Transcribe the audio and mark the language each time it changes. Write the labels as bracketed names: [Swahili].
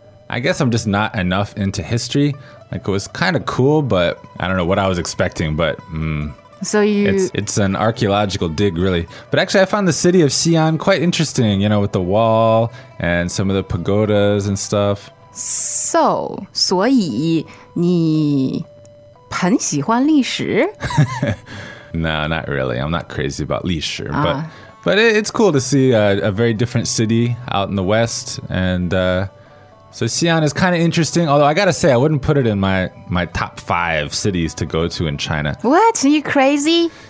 [English] I guess I'm just not enough into history. Like, it was kind of cool, but I don't know what I was expecting, It's an archaeological dig, really. But actually, I found the city of Xi'an quite interesting, you know, with the wall and some of the pagodas and stuff. So, [Chinese] 所以你很喜欢历史? [English] No, not really. I'm not crazy about 历史, but it's cool to see a very different city out in the west. And so Xi'an is kind of interesting, although I gotta say, I wouldn't put it in my top five cities to go to in China. What? Are you crazy?